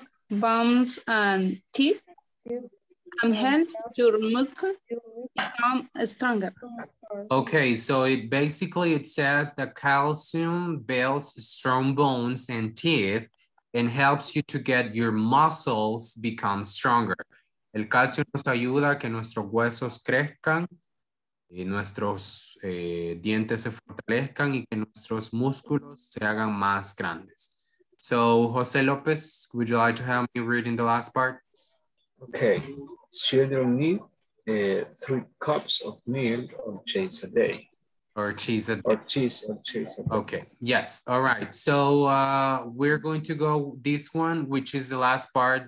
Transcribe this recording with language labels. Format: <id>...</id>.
<en>Bones and teeth and help your muscles become stronger. Okay, so it says that calcium builds strong bones and teeth and helps you to get your muscles become stronger.</en> <es>El calcio nos ayuda a que nuestros huesos crezcan y nuestros dientes se fortalezcan y que nuestros músculos se hagan más grandes.</es> <en>So, Jose Lopez, would you like to help me reading the last part? Okay. Children need 3 cups of milk or cheese a day. Okay. Yes. All right. So, we're going to go this one, which is the last part.</en>